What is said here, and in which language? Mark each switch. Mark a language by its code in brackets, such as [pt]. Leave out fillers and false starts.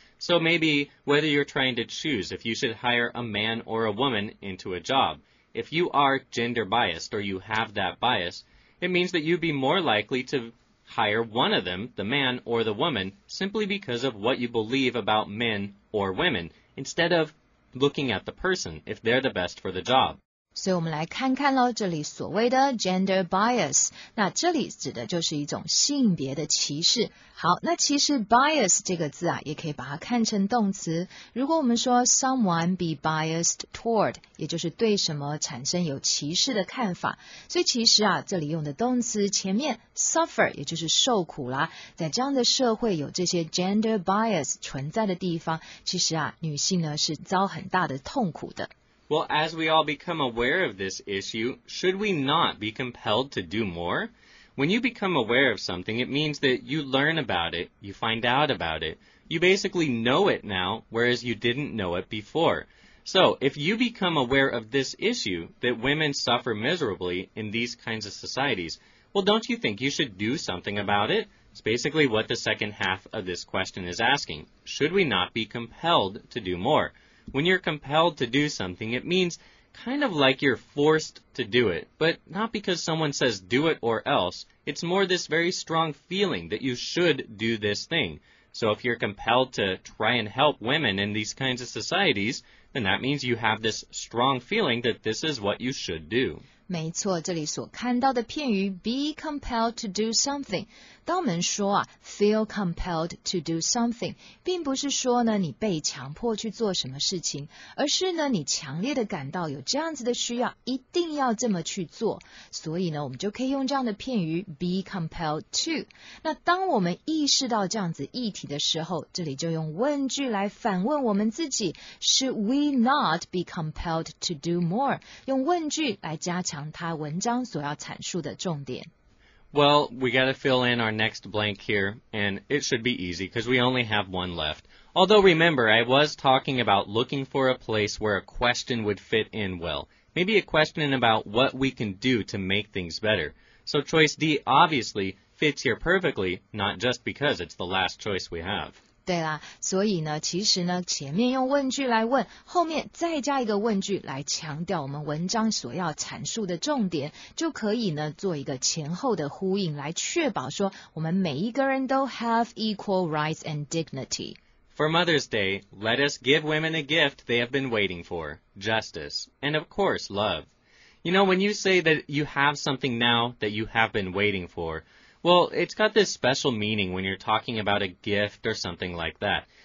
[en] So maybe whether you're trying to choose if you should hire a man or a woman into a job, if you are gender biased or you have that bias,It means that you'd be more likely to hire one of them, the man or the woman, simply because of what you believe about men or women, instead of looking at the person, if they're the best for the job. [zh] 所以我们来看看咯，这里所谓的 gender bias， 那这里指的就是一种性别的歧视。好，那其实 bias 这个字啊，也可以把它看成动词。如果我们说 [en] someone be biased toward， [zh] 也就是对什么产生有歧视的看法。所以其实啊，这里用的动词前面 suffer， 也就是受苦啦。在这样的社会有这些 gender bias 存在的地方，其实啊，女性呢是遭很大的痛苦的。 [en] Well, as we all become aware of this issue, should we not be compelled to do more? When you become aware of something, it means that you learn about it, you find out about it. You basically know it now, whereas you didn't know it before. So, if you become aware of this issue, that women suffer miserably in these kinds of societies, well, don't you think you should do something about it? It's basically what the second half of this question is asking. Should we not be compelled to do more? When you're compelled to do something, it means kind of like you're forced to do it, but not because someone says do it or else. It's more this very strong feeling that you should do this thing. So if you're compelled to try and help women in these kinds of societies, then that means you have this strong feeling that this is what you should do. [zh] 没错，这里所看到的片语 [en] be compelled to do something， [zh] 当我们说啊 [en] feel compelled to do something， [zh] 并不是说呢你被强迫去做什么事情，而是呢你强烈的感到有这样子的需要，一定要这么去做。所以呢，我们就可以用这样的片语 [en] be compelled to。 [zh] 那当我们意识到这样子议题的时候，这里就用问句来反问我们自己 ： [en] Should we not be compelled to do more？ [zh] 用问句来加强它文章所要阐述的重点。 [en] Well, we got to fill in our next blank here, and it should be easy because we only have one left. Although, remember, I was talking about looking for a place where a question would fit in well. Maybe a question about what we can do to make things better. So choice D obviously fits here perfectly, not just because it's the last choice we have. [zh] 对啦，所以呢，其实呢，前面用问句来问，后面再加一个问句来强调我们文章所要阐述的重点，就可以呢做一个前后的呼应，来确保说我们每一个人都 [en] have equal rights and dignity. For Mother's Day, let us give women a gift they have been waiting for: justice and, of course, love. You know, when you say that you have something now that you have been waiting for. Well, it's got this special meaning when you're talking about a gift or something like that.